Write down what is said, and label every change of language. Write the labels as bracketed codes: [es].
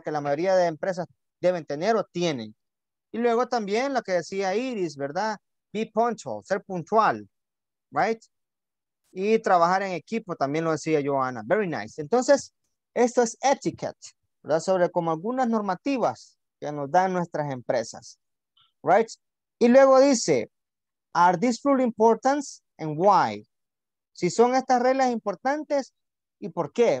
[es] Que la mayoría de empresas deben tener o tienen. Y luego también lo que decía Iris, ¿verdad? Be punctual, ser puntual, right? Y trabajar en equipo, también lo decía Joana. Very nice. Entonces, esto es etiquette, ¿verdad? Sobre como algunas normativas que nos dan nuestras empresas, right? [en] Y luego dice, are these rules important and why? [es] Si son estas reglas importantes, ¿y por qué?